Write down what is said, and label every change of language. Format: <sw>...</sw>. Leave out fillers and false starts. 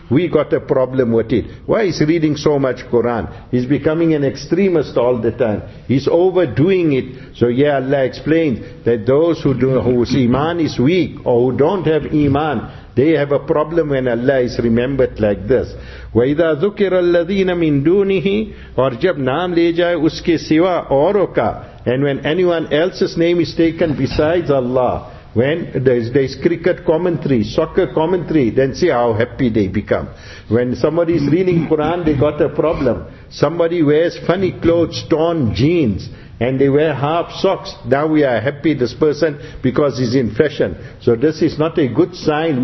<en>We got a problem with it. Why is he reading so much Quran? He's becoming an extremist all the time. He's overdoing it. So yeah, Allah explains that those whose iman is weak or who don't have iman, they have a problem when Allah is remembered like this.</en> <ar>وَإِذَا ذُكِرَ الَّذِينَ مِن دُونِهِ.</ar> <ur>اور جب نام لے جائے اس کے سوا اوروں کا.</ur> <en>And when anyone else's name is taken besides Allah, When there's cricket commentary, soccer commentary, then see how happy they become. When somebody's reading Quran, they got a problem. Somebody wears funny clothes, torn jeans, and they wear half socks. Now we are happy, this person, because he's in fashion. So this is not a good sign.</en>